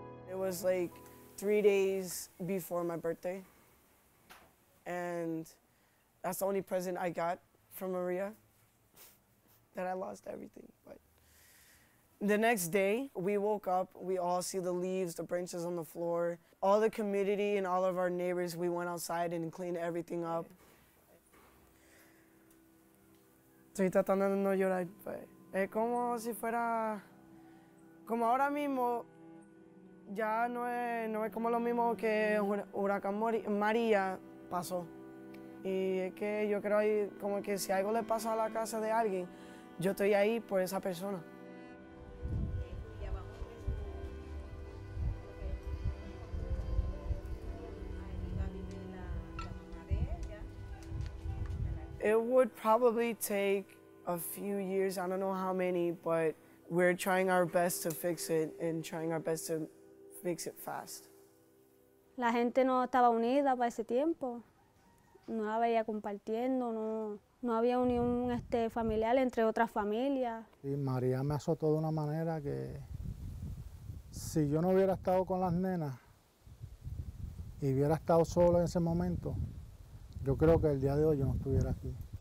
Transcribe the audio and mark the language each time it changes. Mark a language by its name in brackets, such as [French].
[English] It was like 3 days before my birthday, and that's the only present I got from Maria, that I lost everything. But the next day, we woke up, we all see the leaves, the branches on the floor. All the community and all of our neighbors, we went outside and cleaned everything up. [Spanish] Estoy tratando de no llorar, pues. Es como si fuera, como ahora mismo, ya no es como lo mismo que Huracán María pasó. Y es que yo creo ahí como que si algo le pasa a la casa de alguien, yo estoy ahí por esa persona. [English] It would probably take a few years, I don't know how many, but we're trying our best to fix it and trying our best to fix it fast. [Spanish] La gente no estaba unida para ese tiempo. No la veía compartiendo, no había unión familiar entre otras familias. Y María me azotó de una manera que si yo no hubiera estado con las nenas y hubiera estado solo en ese momento, yo creo que el día de hoy yo no estuviera aquí.